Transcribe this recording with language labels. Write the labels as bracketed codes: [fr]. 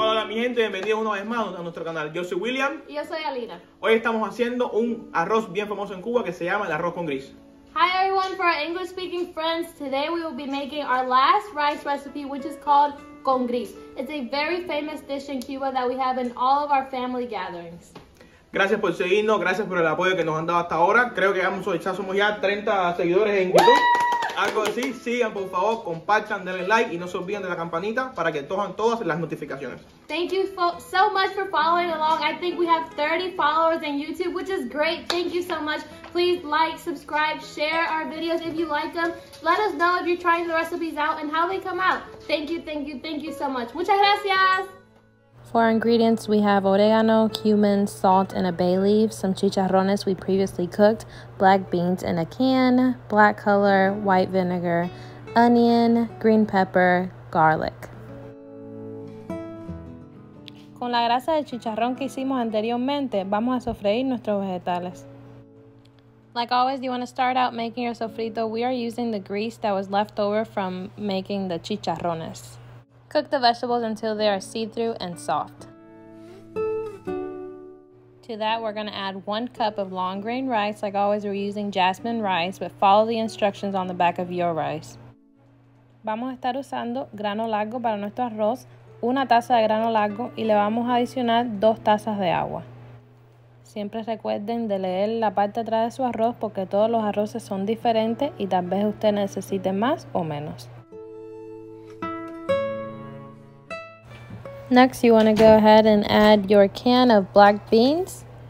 [es] gente, bienvenidos una vez más a nuestro canal. Yo soy William. Y yo soy Alina. Hoy estamos haciendo un arroz bien famoso en Cuba que se llama el arroz con gris. [en] Hi everyone, for our English speaking friends, today we will be making our last rice recipe, which is called con gris. It's a very famous dish in Cuba that we have in all of our family gatherings. [es] Gracias por seguirnos, gracias por el apoyo que nos han dado hasta ahora. Creo que hemos echado ya 30 seguidores en YouTube. Algo así, sigan por favor, compartan, denle like y no se olviden de la campanita para que tojan todas las notificaciones. [en] Thank you so much for following along. I think we have 30 followers on YouTube, which is great. Thank you so much. Please like, subscribe, share our videos if you like them. Let us know if you're trying the recipes out and how they come out. Thank you, thank you, thank you so much. [es] Muchas gracias. [en] For our ingredients, we have oregano, cumin, salt, and a bay leaf, some chicharrones we previously cooked, black beans in a can, black color, white vinegar, onion, green pepper, garlic. [es] Con la grasa de chicharrón que hicimos anteriormente, vamos a sofreír nuestros vegetales. [en] Like always, you want to start out making your sofrito. We are using the grease that was left over from making the chicharrones. Cook the vegetables until they are see-through and soft. To that, we're going to add 1 cup of long grain rice. Like always, we're using jasmine rice, but follow the instructions on the back of your rice. [es] Vamos a estar usando grano largo para nuestro arroz, 1 taza de grano largo, y le vamos a adicionar 2 tazas de agua. Siempre recuerden de leer la parte atrás de su arroz porque todos los arroces son diferentes y tal vez usted necesite más o menos. [en] Next, you want to go ahead and add your can of black beans.